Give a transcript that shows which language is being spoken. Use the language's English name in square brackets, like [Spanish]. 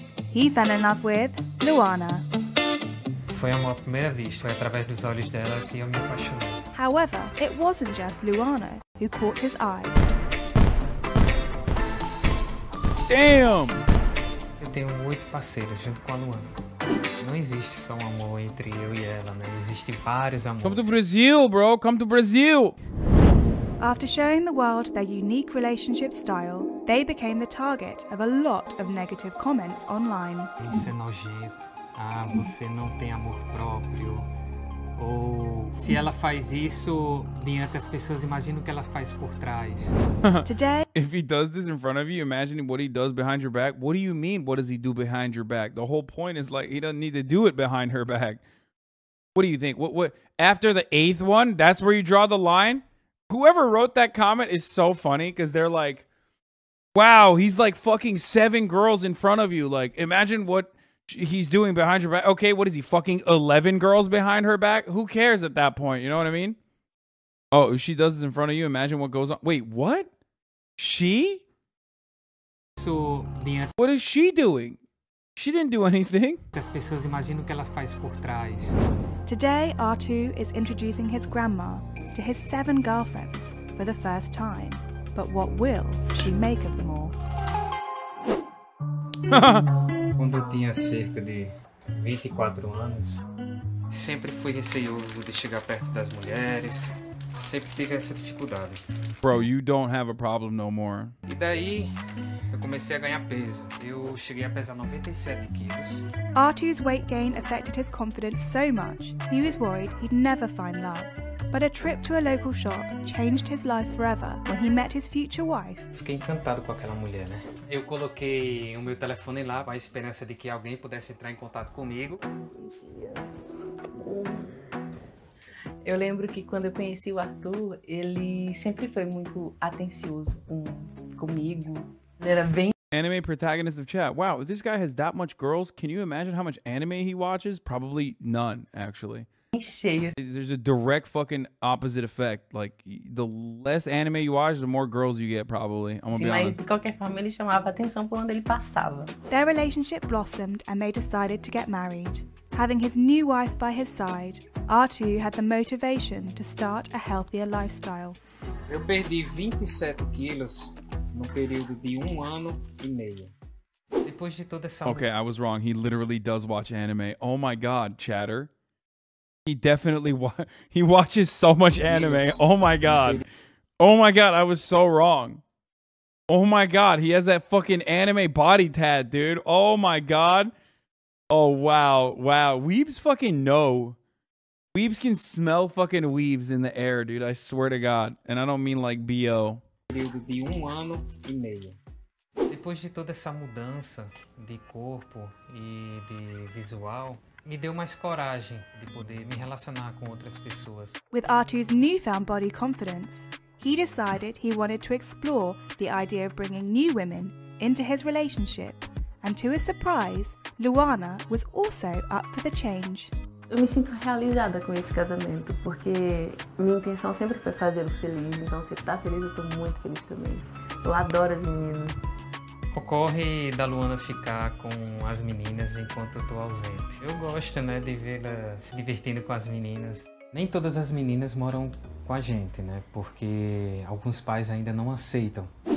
[English] He fell in love with Luana. [Portuguese] Foi amor à primeira vista, foi através dos olhos dela que eu me apaixonei. [English] However, it wasn't just Luana who caught his eye. Damn! [Portuguese] Eu tenho 8 parceiros junto com a Luana. Não existe só um amor entre eu e ela, né? Existem vários amores. [English] Come to Brazil, bro! Come to Brazil! After showing the world their unique relationship style, they became the target of a lot of negative comments online. [Portuguese] Isso é nojento. Ah, você não tem amor próprio. Ou se ela faz isso diante das pessoas, imagina o que ela faz por trás. [English] Today, if he does this in front of you, imagine what he does behind your back. What do you mean? What does he do behind your back? The whole point is like he doesn't need to do it behind her back. What do you think? What after the 8th one, that's where you draw the line? Whoever wrote that comment is so funny because they're like, wow, he's like fucking 7 girls in front of you. Like, imagine what he's doing behind your back. Okay, what is he, fucking 11 girls behind her back? Who cares at that point? You know what I mean? Oh, if she does this in front of you, imagine what goes on. Wait, what? She? So, what is she doing? She didn't do anything. [Portuguese] As pessoas imaginam que ela faz por trás. [English] Today, Artu is introducing his grandma to his 7 girlfriends for the first time. But what will she make of them all? [Portuguese] Quando eu tinha cerca de 24 anos, sempre fui receoso de chegar perto das mulheres. Sempre tive essa dificuldade. [English] Bro, you don't have a problem no more. [Portuguese] E daí, eu comecei a ganhar peso. Eu cheguei a pesar 97 quilos. [English] Artu's weight gain affected his confidence so much, he was worried he'd never find love. But a trip to a local shop changed his life forever when he met his future wife. [Portuguese] Fiquei encantado com aquela mulher, né? Eu coloquei o meu telefone lá com a esperança de que alguém pudesse entrar em contato comigo. Eu lembro que quando eu conheci o Artur, ele sempre foi muito atencioso comigo. Ele era bem... [English] Anime protagonist of chat. Wow, this guy has that much girls. Can you imagine how much anime he watches? Probably none, actually. There's a direct fucking opposite effect. Like, the less anime you watch, the more girls you get, probably. I'm gonna be honest. [Portuguese] De qualquer forma, ele chamava atenção por onde ele passava. [English] Their relationship blossomed and they decided to get married. Having his new wife by his side, Artu had the motivation to start a healthier lifestyle. [Portuguese] Eu perdi 27 quilos no período de 1 ano e meio. Depois de toda essa... [English] Okay, I was wrong. He literally does watch anime. Oh my god, chatter. He definitely he watches so much anime. Oh my god. Oh my god, I was so wrong. Oh my god, he has that fucking anime body tat, dude. Oh my god. Oh wow, wow. Weebs fucking know. Weebs can smell fucking weebs in the air, dude. I swear to god. And I don't mean like BO. [Portuguese] Depois de toda essa mudança de corpo e de visual, me deu mais coragem de poder me relacionar com outras pessoas. [English] With Artu's newfound body confidence, he decided he wanted to explore the idea of bringing new women into his relationship. And to his surprise, Luana was also up for the change. [Portuguese] Eu me sinto realizada com esse casamento, porque minha intenção sempre foi fazê-lo feliz. Então, se ele tá feliz, eu tô muito feliz também. Eu adoro as meninas. Ocorre da Luana ficar com as meninas enquanto eu tô ausente. Eu gosto, né, de vê-la se divertindo com as meninas. Nem todas as meninas moram com a gente, né, porque alguns pais ainda não aceitam.